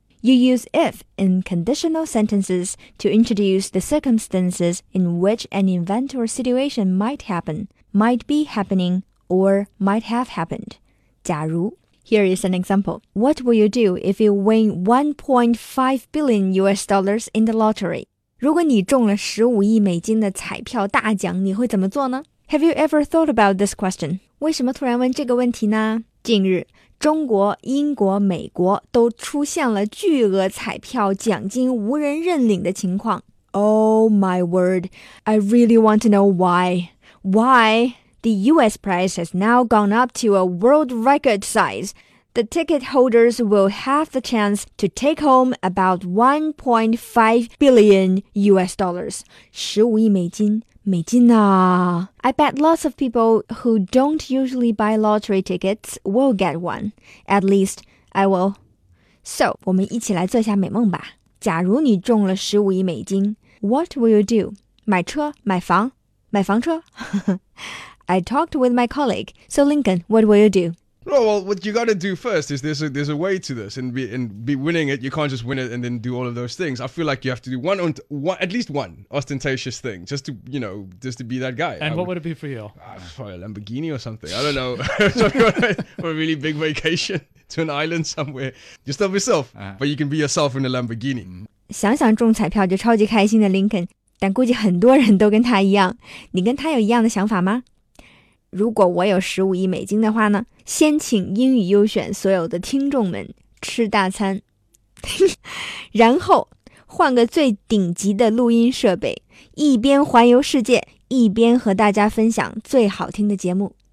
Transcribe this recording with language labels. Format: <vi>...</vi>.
<en>You use if in conditional sentences to introduce the circumstances in which an event or situation might happen, might be happening, or might have happened.</en> <zh>假如</zh> <en>Here is an example. What will you do if you win $1.5 billion in the lottery?</en> <zh>如果你中了15亿美金的彩票大奖，你会怎么做呢？</zh> <en>Have you ever thought about this question?</en> <zh>为什么突然问这个问题呢？近日，中国、英国、美国都出现了巨额彩票奖金无人认领的情况。</zh> <en>Oh my word, I really want to know why. Why? The US prize has now gone up to a world record size. The ticket holders will have the chance to take home about $1.5 billion.</en> <zh>15亿美金。美金啊</zh> <en>I bet lots of people who don't usually buy lottery tickets will get one. At least, I will.</en> <zh>So, 我们一起来做一下美梦吧。假如你中了15亿美金 ,</zh> <en>what will you do?</en> <zh>买车买房买房车</zh> <en>I talked with my colleague. So, Lincoln, what will you do? Well, what you got to do first is there's a way to this and be winning it. You can't just win it and then do all of those things. I feel like you have to do at least one ostentatious thing just to be that guy. And what would it be for you? Probably a Lamborghini or something. I don't know. For a really big vacation to an island somewhere. You're still yourself, but you can be yourself in a Lamborghini.</en> <zh>想想中彩票就超级开心的 Lincoln, 但估计很多人都跟他一样。你跟他有一样的想法吗？如果我有15亿美金的话呢，先请英语优选所有的听众们吃大餐，然后换个最顶级的录音设备，一边环游世界，一边和大家分享最好听的节目。</zh>